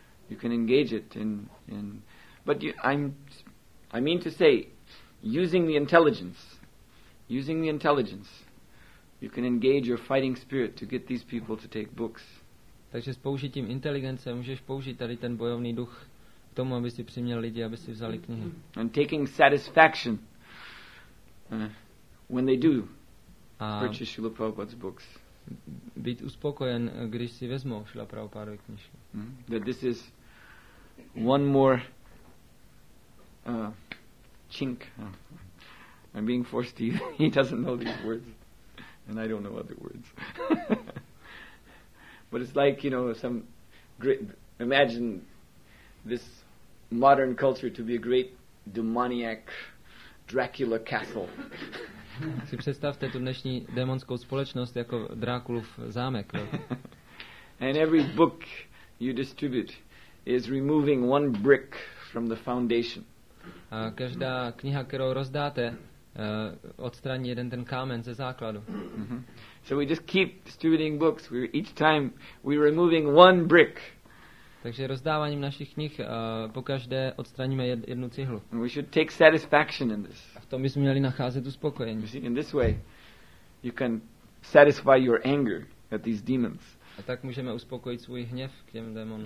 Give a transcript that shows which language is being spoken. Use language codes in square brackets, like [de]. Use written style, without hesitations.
[en] You can engage it in but you, I mean to say using the intelligence, you can engage your fighting spirit to get these people to take books. [cs] Takže s použitím inteligence můžeš použít tady ten bojovný duch k tomu, aby si přiměl lidi, aby si vzali knihy. [en] And taking satisfaction when they do purchase Srila Prabhupada's books. [cs] Být uspokojen, když si vezmou Srila Prabhupádovy knihy. [en] That this is one more chink. I'm being forced to use. He doesn't know these words, and I don't know other words. But it's like, you know, some great. Imagine this modern culture to be a great demoniac Dracula castle. [cs] Si představte tu dnešní démonskou společnost jako Drákulův zámek. [en] And every book you distribute is removing one brick from the foundation. [cs] A každá kniha, kterou rozdáte, odstraní jeden ten kámen ze základu. [en] So we just keep distributing books, we're each time we're removing one brick. [cs] Takže rozdáváním našich knih pokaždé odstraníme jednu cihlu. [en] And we should take satisfaction in this. [cs] A v tom bychom měli nacházet uspokojení. [en] You see, in this way you can satisfy your anger at these demons. [cs] A tak můžeme uspokojit svůj hněv k těm démonům.